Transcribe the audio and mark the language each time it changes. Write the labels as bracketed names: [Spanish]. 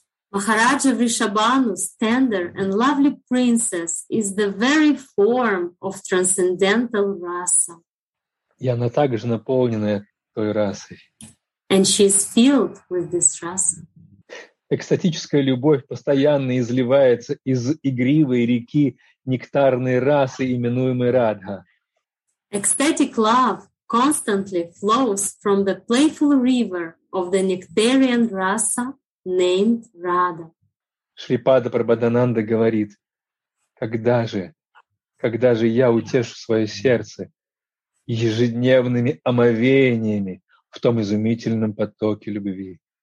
[English] Махараджа Вришабану's tender and lovely princess is the very form of transcendental rasa. [Russian] И она также наполнена той расой. [English] And she is filled with this rasa. [Russian] Экстатическая любовь постоянно изливается из игривой реки нектарной расы, именуемой Радха. [English] Ecstatic love constantly flows from the playful river of the nectarian rasa named Radha. [Russian] Шри Пада Прабхадананда говорит, когда же я утешу свое сердце ежедневными омовениями в том изумительном потоке любви?